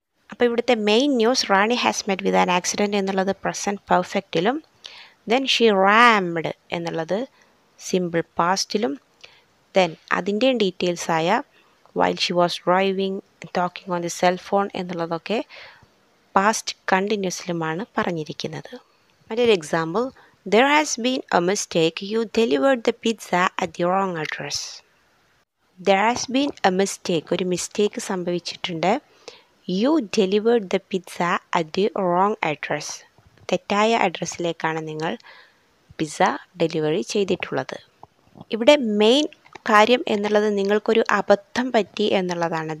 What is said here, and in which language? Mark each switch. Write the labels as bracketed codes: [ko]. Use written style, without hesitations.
[ml] അപ്പോൾ ഇവിടുത്തെ main news, [en] Rani has met with an accident [ml] എന്നുള്ളത് പ്രസൻറ്റ് പെർഫെക്റ്റിലും, [en] then she rammed [ml] എന്നുള്ളത് സിമ്പിൾ പാസ്റ്റിലും, ദെൻ അതിൻ്റെയും ഡീറ്റെയിൽസായ [en] while she was driving, talking on the cell phone [ml] എന്നുള്ളതൊക്കെ past കണ്ടിന്യൂസിലുമാണ് പറഞ്ഞിരിക്കുന്നത്. മറ്റൊരു example, [en] There has been a mistake. You delivered the pizza at the wrong address. There has been a mistake. [ml] ഒരു mistake സംഭവിച്ചിട്ടുണ്ട്. [en] You delivered the pizza at the wrong address. [ml] തെറ്റായ അഡ്രസ്സിലേക്കാണ് നിങ്ങൾ pizza delivery ചെയ്തിട്ടുള്ളത്. ഇവിടെ main കാര്യം എന്നുള്ളത് നിങ്ങൾക്കൊരു അബദ്ധം പറ്റി എന്നുള്ളതാണ്.